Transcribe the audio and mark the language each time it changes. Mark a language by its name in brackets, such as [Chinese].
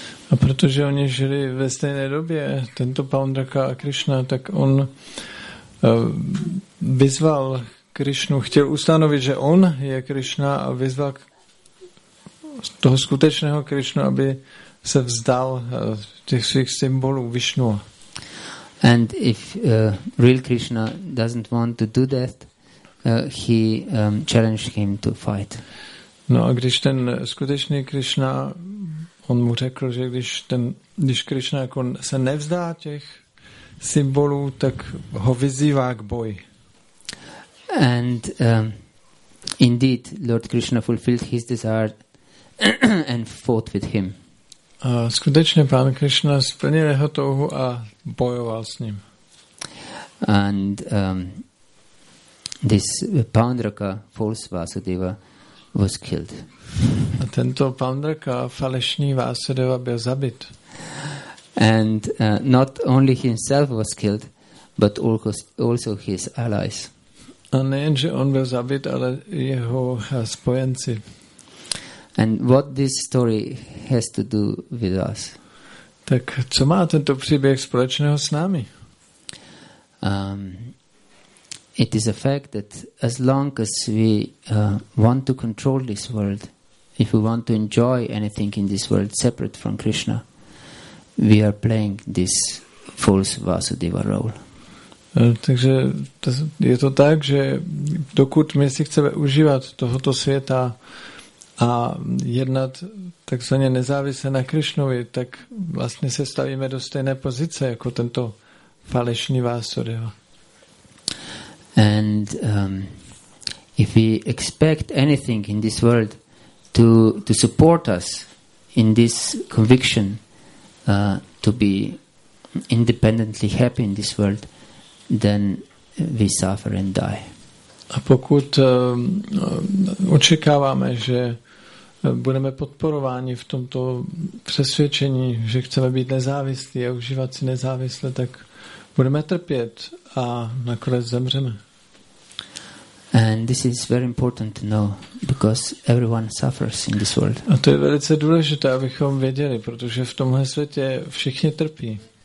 [Czech] A protože oni žili ve stejné době, tento Paundraka a Krishna, tak on vyzval Krishnu, chtěl ustanovit, že on je Krishna, a vyzval toho skutečného Krishnu, aby se vzdal těch svých symbolů Vishnu. [English] And if real Krishna doesn't want to do that, he challenged him to fight. [Czech] No a když ten skutečný Krishna, on mu řekl, že když Krishna jako se nevzdá těch symbolů, tak ho vyzývá k boji. [English] And indeed, Lord Krishna fulfilled his desire and fought with him. [Czech] Skutečně pán Krishna splnil jeho touhu a bojoval s ním. [English] And this Paundraka, false Vasudeva, was killed. [Czech] A tento Paundraka, falešný Vasudeva, byl zabit. [English] And not only himself was killed, but also his allies. [Czech] A nejenže on byl zabit, ale jeho spojenci. [English] And what this story has to do with us? [Czech] Tak co má tento příběh společného s námi? [English] It is a fact that as long as we want to control this world, if we want to enjoy anything in this world separate from Krishna, we are playing this false Vasudeva role. [Czech] Takže je to tak, že dokud my si chceme užívat tohoto světa a jednat takzvaně nezávisle na Krišnovi, tak vlastně se stavíme do stejné pozice jako tento falešný Vasudeva. [English] And if we expect anything in this world to support us in this conviction to be independently happy in this world, then we suffer and die. [Czech] A pokud očekáváme, že budeme podporováni v tomto přesvědčení, že chceme být nezávislí a užívat si nezávisle, tak budeme trpět a nakonec zemřeme. [English] And this is very important to know, because everyone suffers in this world. [Czech] A to je velice důležité, abychom věděli, protože v tomhle světě všichni trpí.